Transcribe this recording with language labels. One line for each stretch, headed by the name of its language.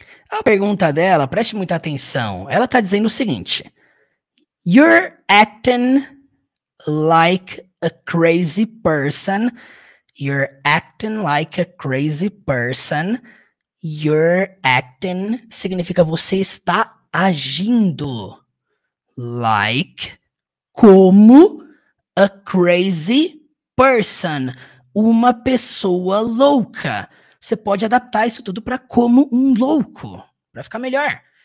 Portuguese: A pergunta dela, preste muita atenção. Ela tá dizendo o seguinte:
English: You're acting like a crazy person. You're acting like a crazy person. You're acting
Portuguese: significa você está agindo like como
English: a crazy person,
Portuguese: uma pessoa louca. Você pode adaptar isso tudo para como um louco, para ficar melhor.